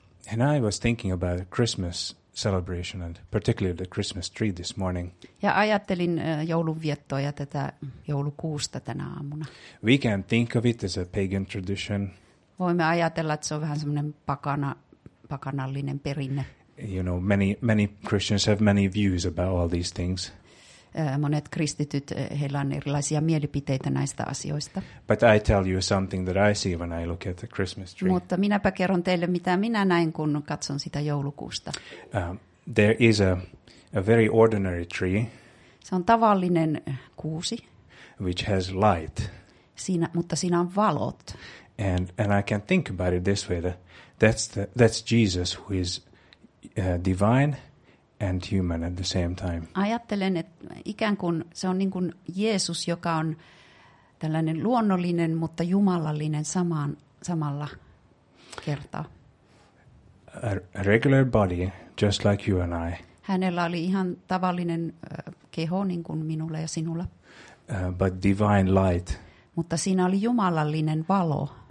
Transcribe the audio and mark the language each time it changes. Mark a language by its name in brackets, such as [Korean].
[English] And I was thinking about Christmas celebration and particularly the Christmas tree this morning. [Finnish] Ja ajattelin joulunviettoa ja tätä joulukuusta tänä aamuna. [English] We can think of it as a pagan tradition. [Finnish] Voimme ajatella, että se on vähän semmoinen pakanallinen perinne. [English] You know, many Christians have many views about all these things. [Finnish] Monet kristityt, heillä on erilaisia mielipiteitä näistä asioista. [English] But I tell you something that I see when I look at the Christmas tree. [Finnish] Mutta minäpä kerron teille, mitä minä näin, kun katson sitä joulukuusta. [English] There is a very ordinary tree. [Finnish] Se on tavallinen kuusi. [English] Which has light. [Finnish] Siinä, mutta siinä on valot. [English] And I can think about it this way, that's Jesus who is divine and human at the same time. [Finnish] Ajattelen, että ikään kuin se on niin kuin Jeesus, joka on tällainen luonnollinen, mutta jumalallinen samalla kertaa. [English] A regular body, just like you and I. [Finnish] Hänellä oli ihan tavallinen keho, niin kuin minulla ja sinulla. [English] But divine light. [Finnish] Mutta siinä oli jumalallinen valo.